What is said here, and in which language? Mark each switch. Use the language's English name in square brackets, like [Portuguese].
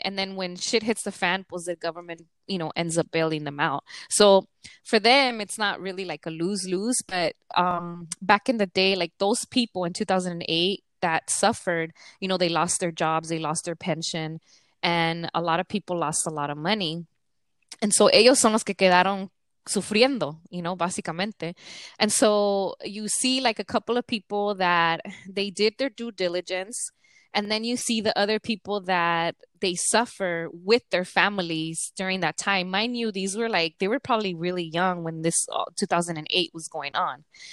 [English] And then when shit hits the fan, pulls the government, you know, ends up bailing them out. So for them, it's not really like a lose-lose. But back in the day, like those people in 2008 that suffered, you know, they lost their jobs, they lost their pension, and a lot of people lost a lot of money. And so [Spanish] ellos son los que quedaron sufriendo, [English] you know, [Spanish] básicamente. [English] And so you see like a couple of people that they did their due diligence, and then you see the other people that they suffer with their families during that time. Mind you, these were like, they were probably really young when this 2008 was going on.